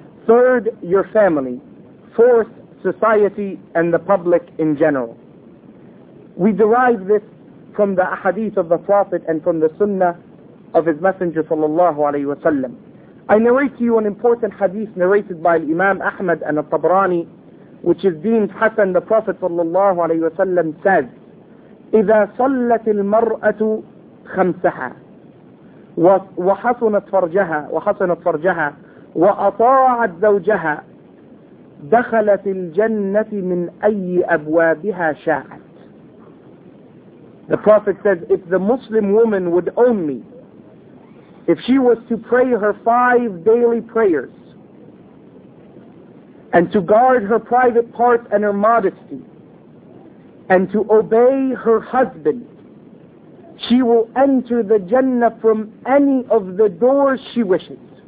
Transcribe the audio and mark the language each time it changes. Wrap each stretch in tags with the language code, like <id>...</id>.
<en>Third, your family. Fourth, society and the public in general. We derive this from the ahadith of the Prophet and from the sunnah of His Messenger sallallahu alayhi wa sallam. I narrate to you an important hadith narrated by Imam Ahmad and al-Tabrani, which is deemed Hassan. The Prophet sallallahu alayhi wa sallam says,</en> <ar>إِذَا صَلَّتِ الْمَرْأَةُ خَمْسَهَا وَحَسُنَتْ فَرْجَهَا وَأَطَاعَتْ زَوْجَهَا دَخَلَتِ الْجَنَّةِ مِنْ أَيِّ أَبْوَابِهَا شَاءَتْ.</ar> <en>The Prophet says, if the Muslim woman would own me, if she was to pray her five daily prayers and to guard her private parts and her modesty and to obey her husband, she will enter the Jannah from any of the doors she wishes.</en>